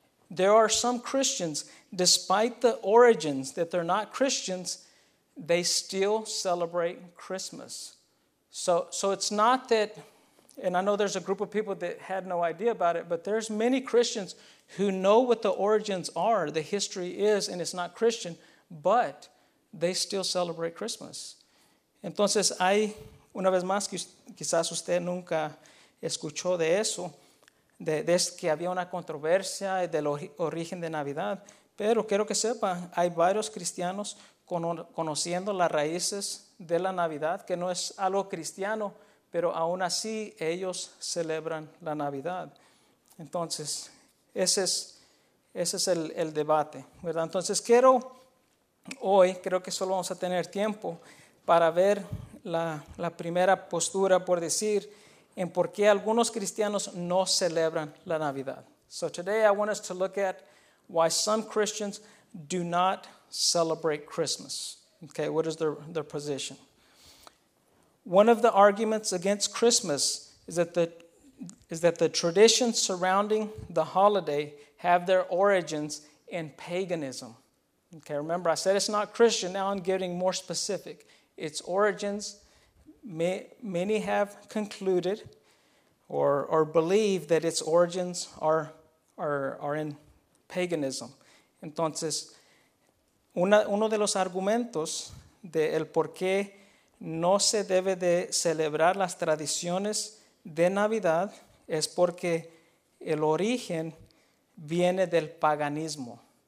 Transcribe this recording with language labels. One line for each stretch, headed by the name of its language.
English: There are some Christians, despite the origins that they're not Christians, they still celebrate Christmas. So it's not that, and I know there's a group of people that had no idea about it, but there's many Christians who know what the origins are, the history is, and it's not Christian, but they still celebrate Christmas.
Spanish: Entonces hay, una vez más, quizás usted nunca escuchó de eso, de que había una controversia del origen de Navidad, pero quiero que sepa, hay varios cristianos conociendo las raíces de la Navidad, que no es algo cristiano, pero aún así ellos celebran la Navidad. Entonces, ese es el debate, ¿verdad? Entonces, creo que solo vamos a tener tiempo para ver la primera postura, por decir, en por qué algunos cristianos no celebran la Navidad.
English: So today I want us to look at why some Christians do not celebrate Christmas. Okay, what is their position? One of the arguments against Christmas is that the traditions surrounding the holiday have their origins in paganism. Okay, remember I said it's not Christian. Now I'm getting more specific. Its origins, many have concluded or believe that its origins are in paganism.
Spanish: Entonces, uno de los argumentos de el por qué no se debe de celebrar las tradiciones de Navidad es porque el origen viene del paganismo.